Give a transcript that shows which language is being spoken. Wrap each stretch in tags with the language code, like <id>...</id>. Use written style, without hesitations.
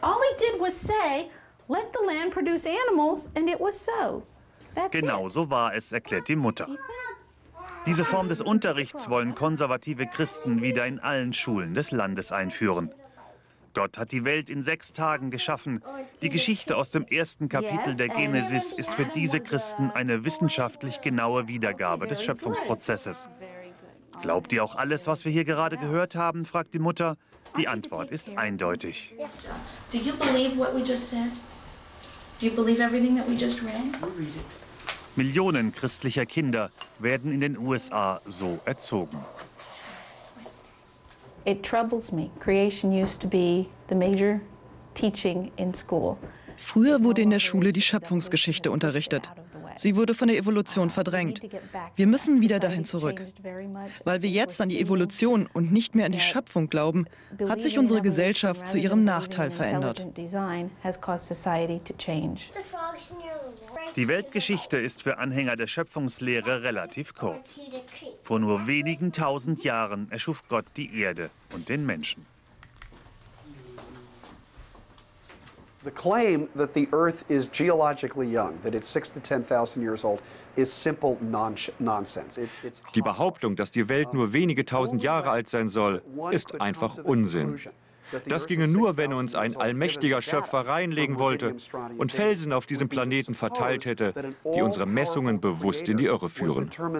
<en>All he did was say, let the land produce animals, and it was so.</en> <de>Genau so war es, erklärt die Mutter. Diese Form des Unterrichts wollen konservative Christen wieder in allen Schulen des Landes einführen. Gott hat die Welt in 6 Tagen geschaffen. Die Geschichte aus dem 1. Kapitel der Genesis ist für diese Christen eine wissenschaftlich genaue Wiedergabe des Schöpfungsprozesses. Glaubt ihr auch alles, was wir hier gerade gehört haben? Fragt die Mutter. Die Antwort ist eindeutig.</de> <en>Do you believe what we just said? Do you believe everything that we just read?</en> <de>Millionen christlicher Kinder werden in den USA so erzogen.</de> <en>It troubles me. Creation used to be the major teaching in school.</en> <de>Früher wurde in der Schule die Schöpfungsgeschichte unterrichtet. Sie wurde von der Evolution verdrängt. Wir müssen wieder dahin zurück. Weil wir jetzt an die Evolution und nicht mehr an die Schöpfung glauben, hat sich unsere Gesellschaft zu ihrem Nachteil verändert. Die Weltgeschichte ist für Anhänger der Schöpfungslehre relativ kurz. Vor nur wenigen tausend Jahren erschuf Gott die Erde und den Menschen.</de> <en>The claim that the Earth is geologically young, that it's 6 to 10,000 years old, is simple nonsense.</en> <de>Die Behauptung, dass die Welt nur wenige tausend Jahre alt sein soll, ist einfach Unsinn. Das ginge nur, wenn uns ein allmächtiger Schöpfer reinlegen wollte und Felsen auf diesem Planeten verteilt hätte, die unsere Messungen bewusst in die Irre führen.</de>